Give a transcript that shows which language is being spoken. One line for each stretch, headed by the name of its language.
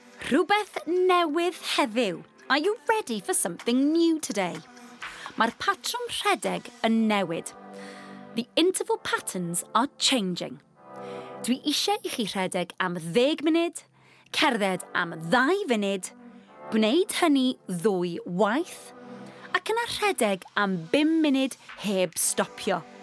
Welsh: Rhywbeth newydd heddiw.
English: Are you ready for something new today?
Welsh: Mae'r patrwm rhedeg yn newid.
English: The interval patterns are changing.
Welsh: Dwi eisiau I chi rhedeg am 10 munud, cerdded am 2 funud, gwneud hynny ddwy waith, ac yna rhedeg am 5 munud heb stopio.